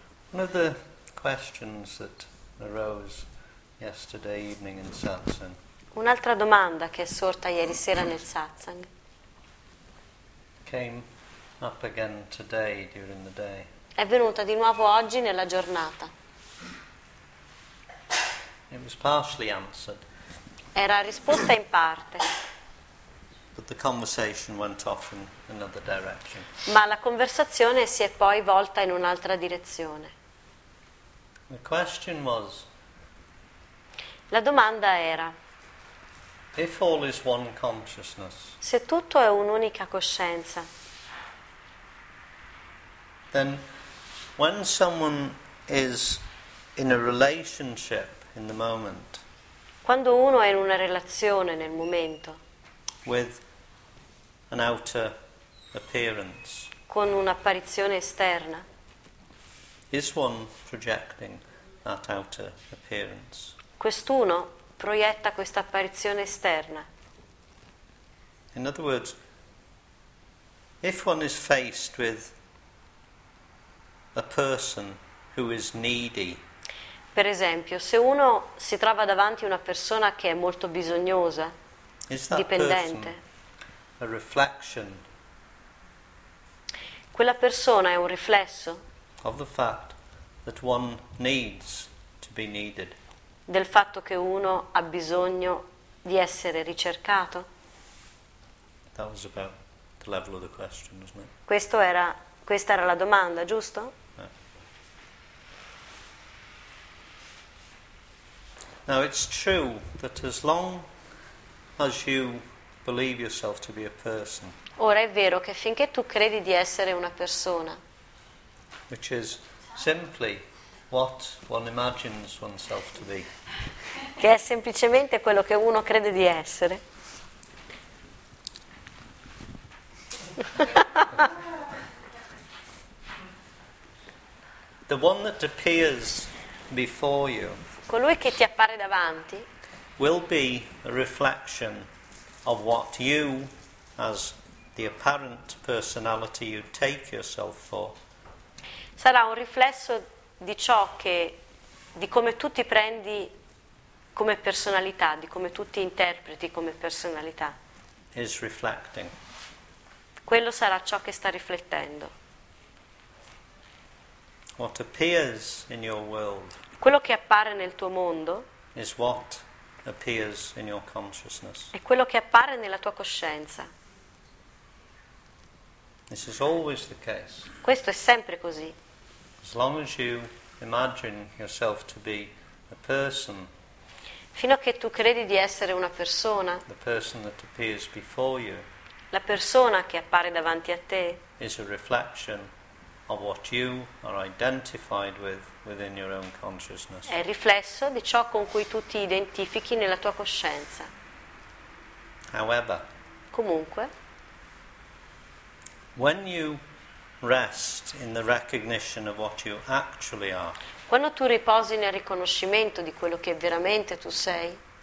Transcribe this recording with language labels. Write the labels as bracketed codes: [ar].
[en] One of the questions that arose yesterday evening in Satsang. [it] Un'altra domanda che è sorta ieri sera nel Satsang. [en] Came up again today during the day. [it] È venuta di nuovo oggi nella giornata. [en] It was partially answered. [it] Era risposta in parte. [en] But the conversation went off in another direction. [it] Ma la conversazione si è poi volta in un'altra direzione. [en] The question was, [it] la domanda era: [en] if all is one consciousness, [it] se tutto è un'unica coscienza, [en] then when someone is in a relationship in the moment, [it] quando uno è in una relazione nel momento, [en] with an outer appearance, [it] con un'apparizione esterna, [en] is one projecting that outer appearance? [it] Quest'uno proietta questa apparizione esterna. [en] In other words, if one is faced with a person who is needy, [it] per esempio, se uno si trova davanti a una persona che è molto bisognosa, [en] is that [it] dipendente, [en] person a reflection [it] Quella persona è un riflesso [en] of the fact that one needs to be needed. [it] Del fatto che uno ha bisogno di essere ricercato. [en] That was about the level of the question, wasn't it? [it] Questa era la domanda, giusto? [en] Now it's true that as long as you believe yourself to be a person. [it] Ora è vero che finché tu credi di essere una persona. [en] Which is simply what one imagines oneself to be. [it] Che è semplicemente quello che uno crede di essere. [en] The one that appears before you. [it] Colui che ti appare davanti [en] will be a reflection of what you, as the apparent personality you take yourself for, [it] sarà un riflesso di ciò che, di come tu ti prendi come personalità, di come tu ti interpreti come personalità, [en] is reflecting. [it] Quello sarà ciò che sta riflettendo. [en] What appears in your world. [it] Quello che appare nel tuo mondo [en] is what appears in your consciousness. [it] È quello che appare nella tua coscienza. [en] This is always the case. [it] Questo è sempre così. [en] As long as you imagine yourself to be a person, [it] fino a che tu credi di essere una persona, [en] the person that appears before you, [it] la persona che appare davanti a te, [en] is a reflection of what you are identified with within your own consciousness. [it] È riflesso di ciò con cui tu ti identifichi nella tua coscienza. [en] However, [it] comunque, [en] when you rest in the recognition of what you actually are, [it] quando tu riposi nel riconoscimento di quello che veramente tu sei,